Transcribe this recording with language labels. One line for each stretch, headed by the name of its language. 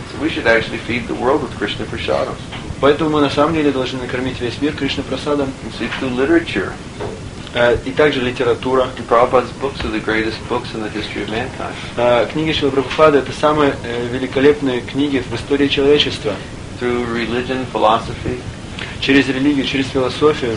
English: So we should actually feed the world with Krishna prasadam.
Russian: Поэтому мы на самом деле должны накормить весь мир Кришна прасадом.
English: See, through literature.
Russian: И также литература.
English: And Prabhupada's books are the greatest books in the history of mankind.
Russian: Книги Шрилы Прабхупады — это самые великолепные книги в истории человечества.
English: Through religion, philosophy.
Russian: Через религию, через философию.